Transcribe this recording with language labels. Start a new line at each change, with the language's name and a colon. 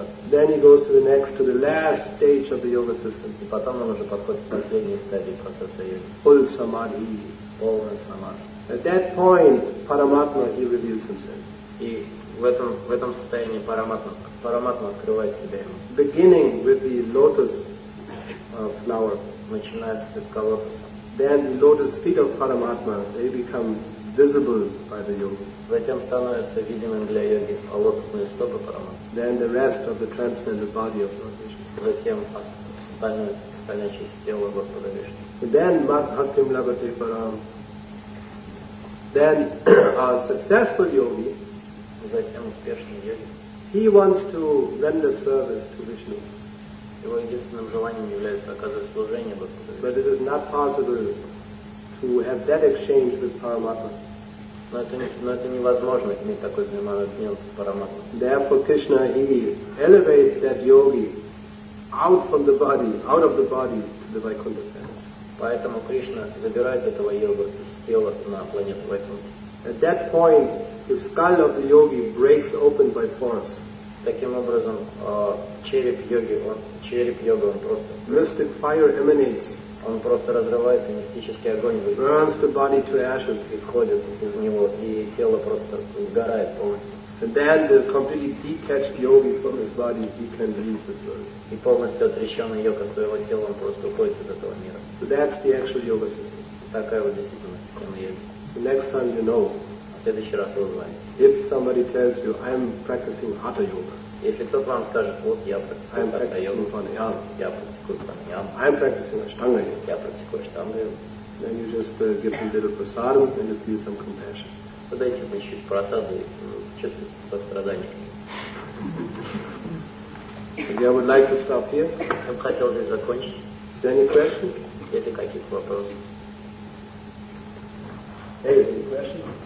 English: Then he goes to the next, to the last stage of the yoga system.
Russian: И потом он уже подходит к последней стадии процесса йоги.
English: Full samadhi.
Russian: Полное самадхи.
English: At that point, Paramatma he reveals himself.
Russian: И в этом состоянии Paramatma открывает себя.
English: Beginning with the lotus flower.
Russian: Начинается с колокоса.
English: Then the lotus feet of Paramatma they become visible by the yogi.
Russian: Затем становятся видимым для йоги лотосные стопы Парамат.
English: Then the rest of the transcendental body of Lord Vishnu.
Russian: Затем остальное часть тела Господа Вишну.
English: Then
Sanskrit: Bhaktim Labhate Param.
English: Then a successful yogi.
Russian: Затем успешный йоги.
English: He wants to render service to Vishnu.
Russian: Его единственным желанием является оказать служение Господу Вишну.
English: But it is not possible to have that exchange with Paramatma.
Russian: Но это невозможно иметь такой взаимообмен с Параматмой.
English: Therefore Krishna he elevates that yogi out from the body, out of the body to the Vaikuntha planet.
Russian: Поэтому Кришна забирает этого йога с тела на планету Вайкунта.
English: At that point, the skull of the yogi breaks open by force.
Russian: Таким образом, череп йоги, он просто...
English: Mystic fire emanates.
Russian: Он просто разрывается, мистический огонь выходит.
English: Burns the body to ashes.
Russian: Исходит из него, и тело просто сгорает полностью.
English: And then the completely detached yogi from his body, he can leave this world.
Russian: И полностью отрешенный йога своего тела, он просто уходит из этого мира.
English: So that's the actual yoga system.
Russian: Такая вот действительно система йоги.
English: The next time you know, if somebody tells you, I'm practicing Hatha Yoga,
Russian: если кто-то вам скажет, вот я практикую Hatha Yoga,
English: I'm practicing Ashtanga Yoga,
Russian: я практикую Ashtanga Yoga,
English: then you just give them a little prasada and you feel some compassion.
Russian: Подайте мне чуть просады, чувствуйте сострадание.
English: Okay, I would like to stop here.
Russian: Я бы хотел здесь закончить.
English: Is there any question?
Russian: Если какие-то вопросы.
English: Hey, any question?